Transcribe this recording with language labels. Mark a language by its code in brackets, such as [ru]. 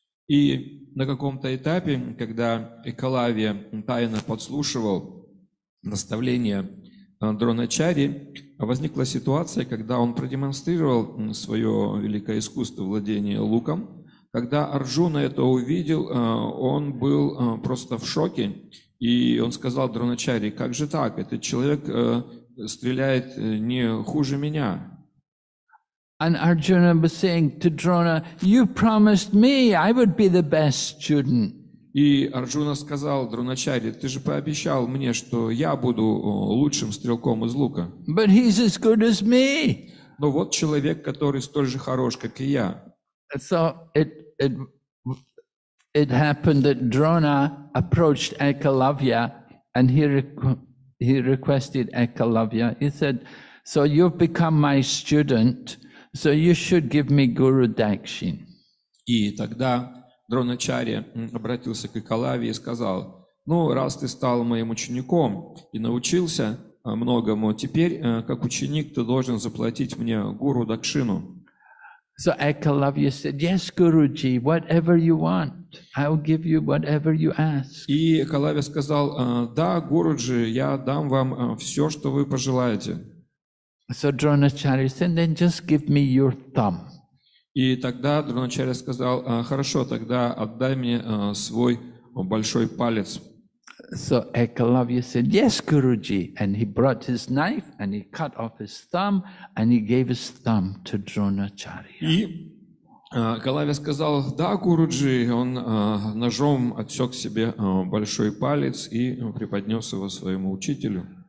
[ru] И на каком-то этапе, когда Экалавия тайно подслушивал наставления Дроначари, возникла ситуация, когда он продемонстрировал свое великое искусство владения луком. Когда Арджуна это увидел, он был просто в шоке, и он сказал Дроначари, как же так, этот человек стреляет не хуже меня. [en] And Arjuna was saying to Drona, you promised me I would be the best student. [ru] И Арджуна сказал Дроначари, ты же пообещал мне, что я буду лучшим стрелком из лука. [en] But he's as good as me. [ru] Но вот человек, который столь же хорош, как и я. [en] So it happened that Drona approached Ekalavya and he requested Ekalavya. He said, so you've become my student. So you should give me Guru Dakshin. [ru] И тогда Дроначари обратился к Экалаве и сказал, ну, раз ты стал моим учеником и научился многому, теперь, как ученик, ты должен заплатить мне Гуру Дакшину. [en] So Ekalavya said, yes, Guruji, whatever you want, I'll give you whatever you ask. [ru] И Экалавья сказал, да, Гуруджи, я дам вам все, что вы пожелаете. [en] So Dronacharya said, then just give me your thumb. [ru] И тогда Дроначарья сказал, хорошо, тогда отдай мне свой большой палец. [en] So Ekalavya said, yes, Guruji. And he brought his knife, and he cut off his thumb, and he gave his thumb to Dronacharya. [ru] И Ekalavya сказал, да, Гуруджи, он ножом отсек себе большой палец и преподнес его своему учителю.